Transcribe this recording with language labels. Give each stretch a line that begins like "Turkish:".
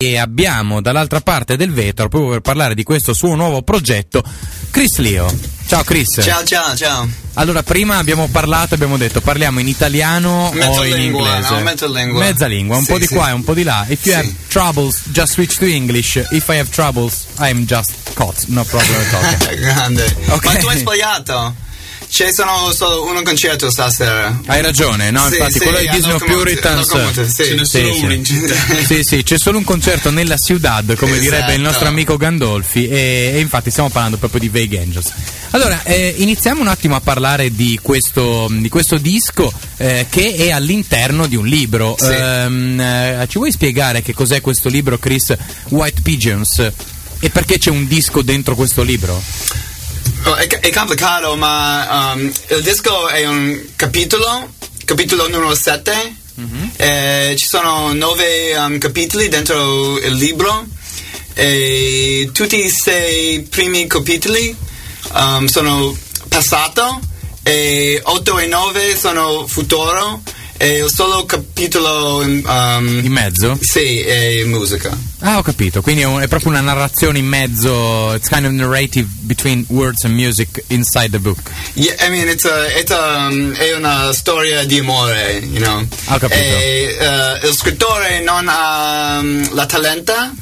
Italian: E abbiamo dall'altra parte del vetro, proprio per parlare di questo suo nuovo progetto, Chris Leo. Ciao Chris. Ciao. Allora, prima abbiamo parlato, abbiamo detto, parliamo in italiano o in inglese? No, mezza lingua, un po' di qua e un po' di là.
English: If you have troubles, just switch to English. If I have troubles, I'm just caught. No problem at all.
Italian: Grande. Okay. Ma tu hai sbagliato? C'è solo un concerto stasera. Hai ragione, no? Infatti, quello di Disney Puritans. Ce n'è solo uno in città. C'è solo un concerto nella Ciudad, come direbbe il nostro amico Gandolfi. E infatti, stiamo parlando proprio di Vague Angels. Allora, iniziamo un attimo a parlare di questo disco che è all'interno di un libro. Sì. Ci vuoi spiegare che cos'è questo libro, Chris, White Pigeons? E perché c'è un disco dentro questo libro? È complicato, ma il disco è un capitolo numero 7. Mm-hmm. E ci sono 9 capitoli dentro il libro, e tutti i 6 primi capitoli sono passato, e 8 e 9 sono futuro, e il solo capitolo in mezzo è musica. Ah, ho capito, quindi è proprio una narrazione in mezzo.
English: It's kind of narrative between words and music inside the book. Yeah, I mean,
Italian: è una storia di amore,
English: you know.
Italian: Ho capito. E il scrittore non ha la talenta.